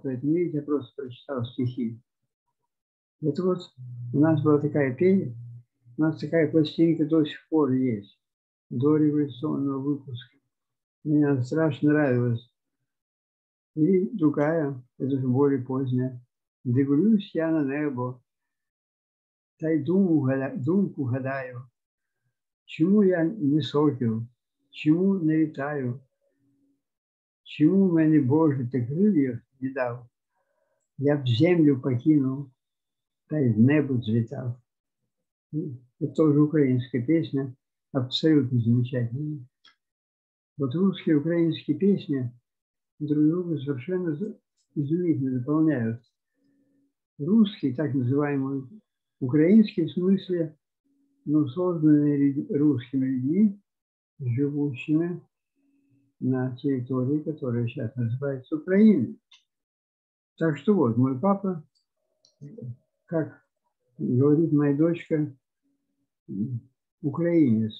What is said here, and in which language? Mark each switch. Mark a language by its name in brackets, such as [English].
[Russian] Поэтому, видите, я просто прочитал стихи. Это вот у нас была такая пение, У нас такая пластинка до сих пор есть, до революционного выпуска. Мне она страшно нравилась. И другая, это же более поздняя. [Ukrainian] Дивлюсь я на небо, та й думку гадаю, чому я не сокіл, чому не літаю, чому мені Боже ти крил'я не дав, я б землю покинув, та й в небо злітав. Це теж українська пісня, абсолютно замечательна. От русські українські пісні [Russian] друг друга совершенно изумительно дополняют. Русский, так называемый украинский в смысле, но созданный русскими людьми, живущими на территории, которая сейчас называется Украиной. Так что вот, мой папа, как говорит моя дочка, украинец.